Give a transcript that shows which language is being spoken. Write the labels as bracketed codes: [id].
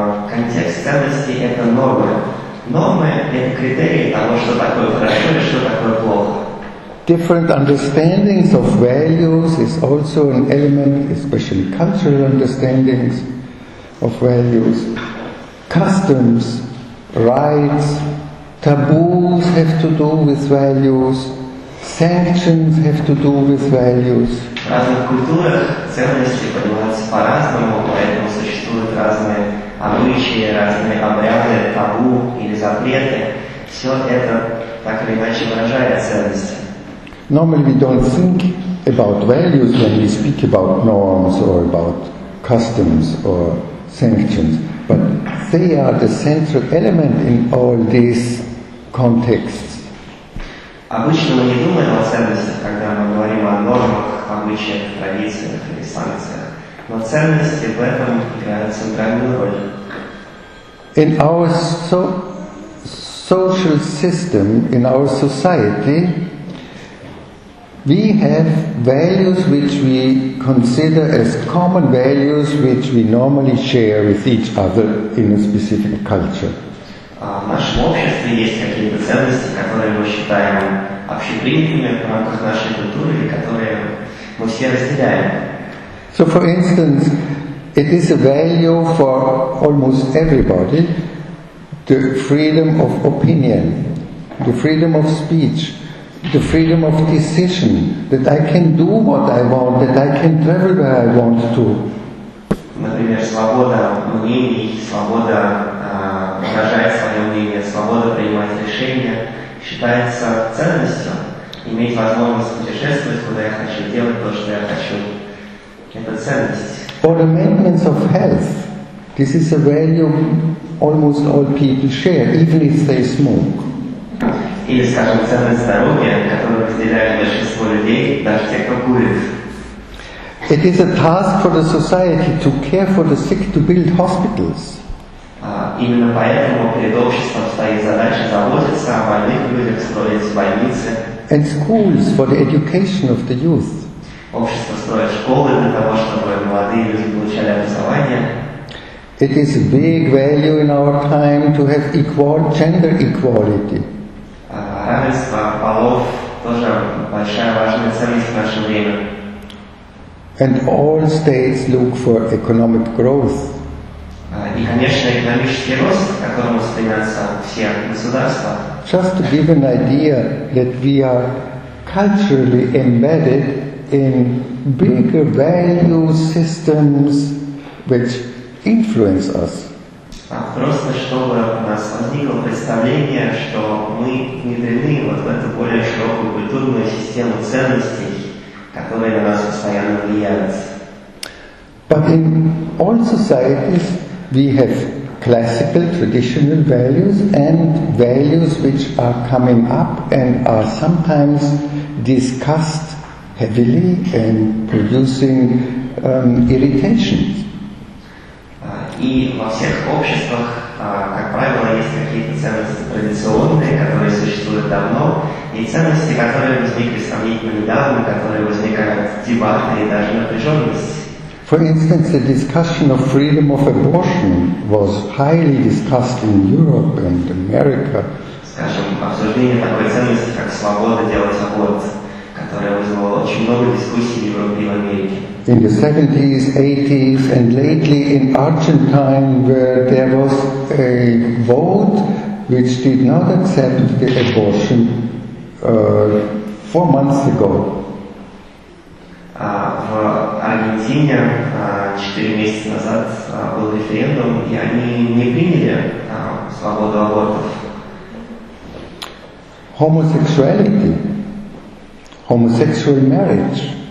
[ru] Контекст ценностей — это нормы. Нормы — это критерии того, что такое хорошо и что такое плохо. [en] Different understandings of values is also an element, especially cultural understandings of values. Customs, rights, taboos have to do with values. Sanctions have to do with values. [ru] В разных культурах ценности понимаются по-разному, поэтому существуют разные обычаи, разные обряды, табу или запреты. Все это так или иначе выражает ценности. [en] Normally we don't think about values when we speak about norms or about customs or sanctions, but they are the central element in all these contexts. [ru] Обычно мы не думаем о ценностях, когда мы говорим о нормах, обычаях, традициях или санкциях. Но ценности в этом играют центральную роль. [en] In our social system, in our society, we have values which we consider as common values which we normally share with each other in a specific culture. [ru] В нашем обществе есть какие-то ценности, которые мы считаем общепринятыми в рамках нашей культуры, которые мы все разделяем. [en] So, for instance, it is a value for almost everybody, the freedom of opinion, the freedom of speech, the freedom of decision, that I can do what I want, that I can travel where I want to. [ru] Например, свобода мнений, свобода выражать свое мнение, свобода принимать решения считается ценностью. Иметь возможность путешествовать, куда я хочу, делать то, что я хочу. Это ценность. [en] Or the maintenance of health. This is a value almost all people share, even if they smoke. [ru] Или, скажем, ценность здоровья, которую разделяют большинство людей, даже те, кто курит. [en] It is a task for the society to care for the sick, to build hospitals. [ru] Именно поэтому перед обществом стоит задача заботиться о больных людях, строить больницы. [en] And schools for the education of the youth. [ru] Общество строит школы для того, чтобы молодые люди получали образование. [en] It is a big value in our time to have equal gender equality. [ru] Равенство полов тоже большая важная ценность в наше время. [en] And all states look for economic growth. [ru] И, конечно, экономический рост, к которому стремятся все государства. [en] Just to give an idea that we are culturally embedded in bigger value systems which influence us. [ru] Просто чтобы у нас возникло представление, что мы внедрены вот в эту более широкую культурную систему ценностей, которые на нас постоянно влияют. [en] But in all societies we have classical, traditional values and values which are coming up and are sometimes discussed heavily and producing irritations. [ru] И во всех обществах, как правило, есть какие-то ценности традиционные, которые существуют давно, и ценности, которые возникли сравнительно недавно, которые возникают дебаты и даже напряженности. [en] For instance, the discussion of freedom of abortion was highly discussed in Europe and America. [ru] Скажем, обсуждение такой ценности, как свобода делать аборт, которое вызвало очень много дискуссий в Европе и в Америке. [en] In the 70s, 80s, and lately in Argentine, where there was a vote which did not accept the abortion 4 months ago. [ru] В Аргентине 4 месяца назад был референдум, и они не приняли свободу абортов. [en] Homosexuality. Homosexual marriage.